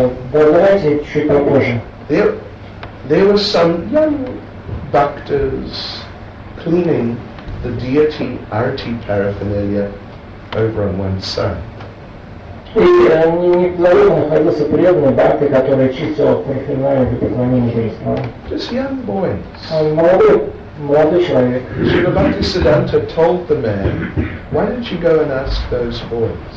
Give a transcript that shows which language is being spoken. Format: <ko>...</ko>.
<en>There were some young bhaktas cleaning the deity arti paraphernalia over on one side.</en> <ru>И неплохо находился преданный бхакти, который чистил парафернали для поклонения перед храмом.</ru> <en>Just young boys.</en> <ru>Молодой человек.</ru> <en>Srila Bhaktisiddhanta told the man, why don't you go and ask those boys?</en>